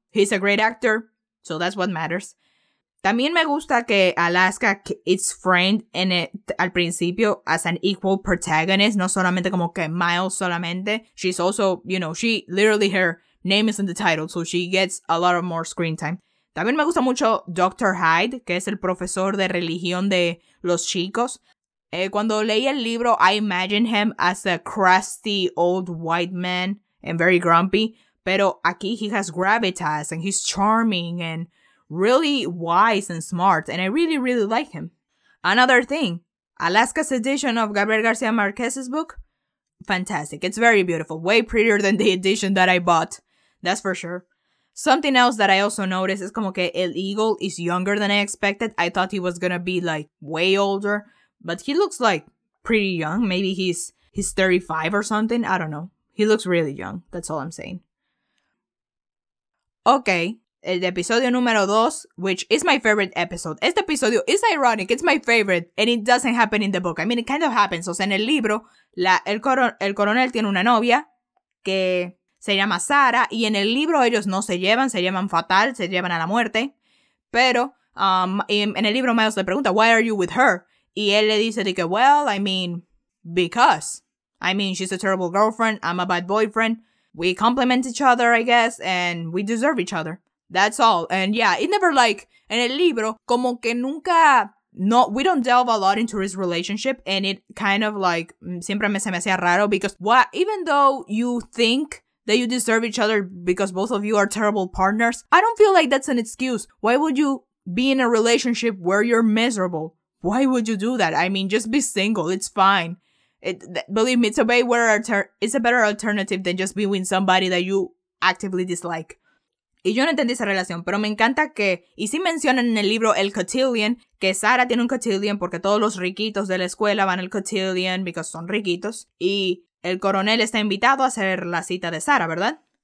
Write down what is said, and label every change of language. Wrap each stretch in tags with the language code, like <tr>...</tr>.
<en>He's a great actor, so that's what matters.</en> <es>También me gusta que Alaska</es> <en>is framed in it</en> <es>al principio</es> <en>as an equal protagonist,</en> <es>no solamente como que Miles solamente. She's also, you know, she literally, her name is in the title, so she gets a lot of more screen time. También me gusta mucho Dr. Hyde, que es el profesor de religión de los chicos. Cuando leí el libro,</es> <en>I imagined him as a crusty old white man and very grumpy.</en> <es>Pero aquí</es> <en>he has gravitas and he's charming and really wise and smart. And I really, really like him. Another thing, Alaska's edition of Gabriel García Márquez's book, fantastic. It's very beautiful. Way prettier than the edition that I bought. That's for sure. Something else that I also noticed is</en> <es>como que</es> <en>El Eagle is younger than I expected. I thought he was going to be like way older. But he looks like pretty young. Maybe he's 35 or something. I don't know. He looks really young. That's all I'm saying. Okay,</en> <es>el episodio número 2,</es> <en>which is my favorite episode.</en> <es>Este episodio</es> <en>is ironic. It's my favorite. And it doesn't happen in the book. I mean, it kind of happens.</en> <es>O sea, en el libro, el coronel tiene una novia que se llama Sara. Y en el libro ellos no se llevan. Se llevan fatal. Se llevan a la muerte. Pero en el libro Miles le pregunta,</es> <en>why are you with her?</en> <es>Y él le dice, de que,</es> <en>well, I mean, because. I mean, she's a terrible girlfriend. I'm a bad boyfriend. We compliment each other, I guess, and we deserve each other. That's all. And yeah, it never like,</en> <es>en el libro, como que nunca, no,</es> <en>we don't delve a lot into his relationship. And it kind of like,</en> <es>siempre se me hacía raro.</es> <en>Because what, even though you think that you deserve each other because both of you are terrible partners, I don't feel like that's an excuse. Why would you be in a relationship where you're miserable? Why would you do that? I mean, just be single. It's fine. Believe me, it's a way where it's a better alternative than just being with somebody that you actively dislike.</en> <es>Y yo no entendí esa relación, pero me encanta que, y sí mencionan en el libro el cotillion, que Sara tiene un cotillion porque todos los riquitos de la escuela van al cotillion</es> <en>because</en> <es>son riquitos. Y el coronel está invitado a hacer la cita de Sara, ¿verdad?</es>